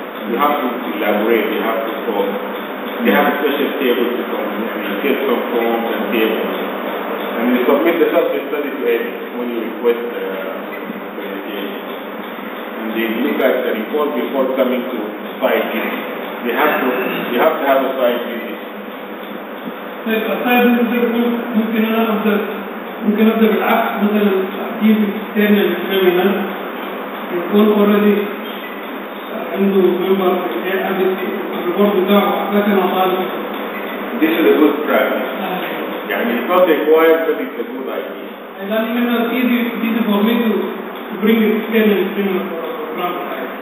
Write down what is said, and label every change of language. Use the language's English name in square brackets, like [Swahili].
[English] You have to elaborate, you have to talk. They have special tables to communicate, you know, some forms and tables. And you submit the subject study to edit when you request the presentation. And they look at the report before coming to site visit. They have to have a site visit. [Arabic] طيب السايد فيزيت ممكن انا ابدا ممكن ابدا بالعكس مثلا تحديد الاكسترنال الكامل انا يكون اوريدي عنده ممبر في الابيت الريبورت بتاعه لكن انا طالب [English] This is a good practice. يعني it's not required, but it's a good idea. And then it's easy for me to bring external streamer for the program.